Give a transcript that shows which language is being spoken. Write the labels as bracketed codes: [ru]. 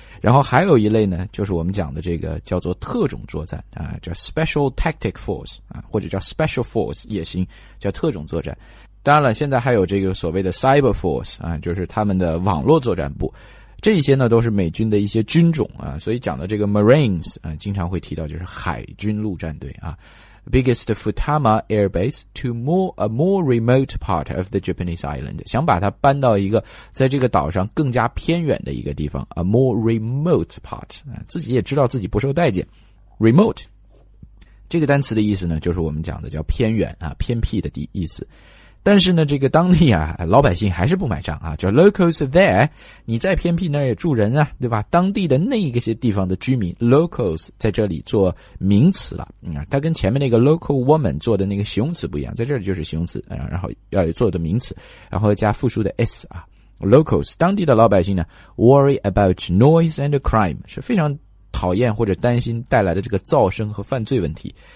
[zh] 然后还有一类呢就是我们讲的这个叫做特种作战啊，叫 Special Tactic Force, 啊，或者叫 Special Force 也行，叫特种作战。当然了现在还有这个所谓的 Cyber Force, 啊，就是他们的网络作战部。这些呢都是美军的一些军种啊，所以讲的这个 Marines, 啊，经常会提到就是海军陆战队啊。 [en] Biggest Futama Air Base to a more remote part of the Japanese island. [zh] 想把它搬到一个在这个岛上更加偏远的一个地方。 [en] A more remote part. [zh] 自己也知道自己不受待见。 [en] Remote. [zh] 这个单词的意思呢就是我们讲的叫偏远啊偏僻的意思。但是呢这个当地啊老百姓还是不买账啊，叫 [en] locals there, [zh] 你在偏僻那儿也住人啊，对吧，当地的那一些地方的居民 locals 在这里做名词了，它跟前面那个 local woman 做的那个形容词不一样，在这里就是形容词，然后要做的名词，然后加复数的 s 啊， locals 当地的老百姓呢 [en] worry about noise and crime, [zh] 是非常讨厌或者担心带来的这个噪声和犯罪问题。